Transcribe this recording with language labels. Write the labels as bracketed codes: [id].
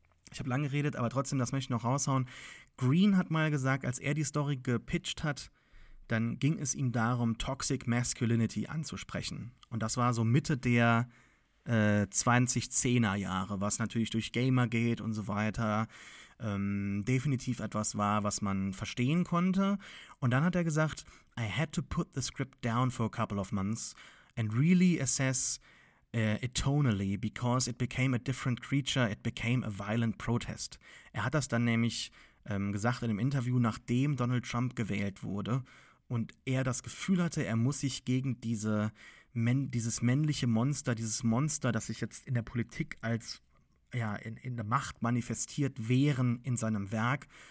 [de] Ich habe lange geredet, aber trotzdem, das möchte ich noch raushauen. Green hat mal gesagt, als er die Story gepitcht hat, dann ging es ihm darum, Toxic Masculinity anzusprechen. Und das war so Mitte der 2010er Jahre, was natürlich durch Gamergate und so weiter definitiv etwas war, was man verstehen konnte. Und dann hat er gesagt, [en] I had to put the script down for a couple of months and really assess it tonally, because it became a different creature, it became a violent protest. [de] Er hat das dann nämlich gesagt in einem Interview, nachdem Donald Trump gewählt wurde und er das Gefühl hatte, er muss sich gegen dieses männliche Monster, dieses Monster, das sich jetzt in der Politik als ja in der Macht manifestiert, wehren in seinem Werk.